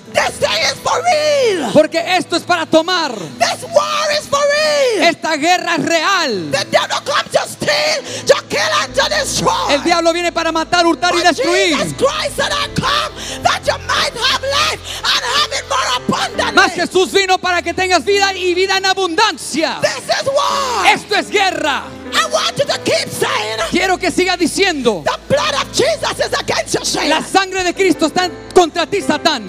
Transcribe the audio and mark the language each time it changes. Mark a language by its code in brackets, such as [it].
[en] This day is for real. [es] Porque esto es para tomar. [en] This war is for real. [es] Esta guerra es real. [en] The devil comes to steal, to kill and to destroy. [es] El diablo viene para matar, hurtar [en] But [es] y destruir. [en] Jesus Christ said, I come that you might have life and have it more abundantly. [es] Mas Jesús vino para que tengas vida y vida en abundancia. [en] This is war. [es] Esto es guerra. [en] I want you to keep saying, [es] quiero que siga diciendo. [en] The blood of Jesus is against you, Satan. [es] La sangre de Cristo está contra ti, Satán.